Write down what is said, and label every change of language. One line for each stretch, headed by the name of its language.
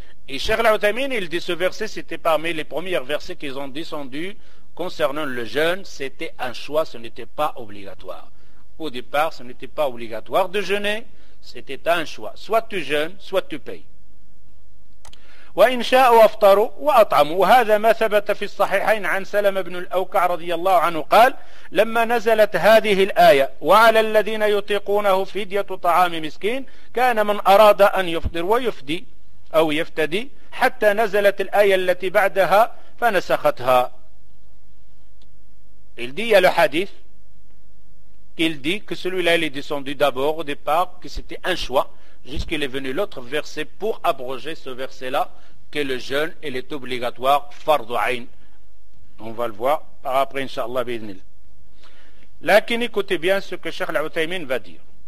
French: Et Cheikh Al-Uthaymin, il dit ce verset, c'était parmi les premiers versets qu'ils ont descendus concernant le jeûne, c'était un choix, ce n'était pas obligatoire. Au départ, ce n'était pas obligatoire de jeûner, c'était un choix. Soit tu jeûnes, soit tu payes.
Arabic: وَإِنْ شَاءُوا أَفْطَرُوا وَأَطْعَمُوا. وَهَذَا مَا ثَبَتَ فِي الصَّحِيحَيْنِ عَنْ سَلَمَ بْنُ الْأَوْكَعِ رَضِيَ اللَّهُ عَنْهُ قَالَ لَمَّا نَزَلَتْ هَذِهِ الْآيَةُ وَعَلَى الَّذِينَ يُطِيقُونَهُ فِدْيَةُ طَعَامِ مِسْكِينٍ كَانَ مَنْ أَرَادَ أَنْ يُفْطِرْ وَيُفْدِي أَوْ يَفْتَدِي حَتَّى نَزَلَتْ الْآيَةُ الَّتِي بَعْدَهَا فَنَسَخَتْهَا.
French: Il dit, il y a le hadith Il dit que celui-là, il est descendu d'abord au départ, que c'était un choix, jusqu'il est venu l'autre verset pour abroger ce verset-là, que le jeûne, il est obligatoire, fardu ayn. On va le voir par après, inshallah, bidnil. Lakin, écoutez bien ce que Cheikh Al-Utaymin va dire.